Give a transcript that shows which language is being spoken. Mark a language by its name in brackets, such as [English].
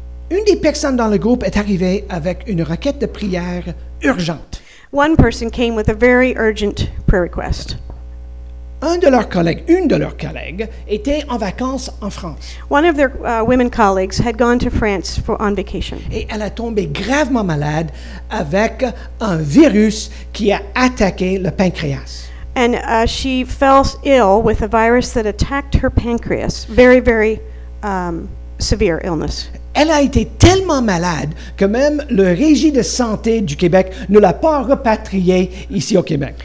[French] une des personnes dans le groupe est arrivée avec une requête de prière urgente. [English] One person came with a very urgent prayer request. [French] Une de leurs collègues était en vacances en France. [English] One of their women colleagues had gone to France for on vacation. [French] Et elle a tombé gravement malade avec un virus qui a attaqué le pancréas. [English] And she fell ill with a virus that attacked her pancreas. Very, very severe illness. [French] Elle a été tellement malade que même le régie de santé du Québec ne l'a pas repatriée ici au Québec.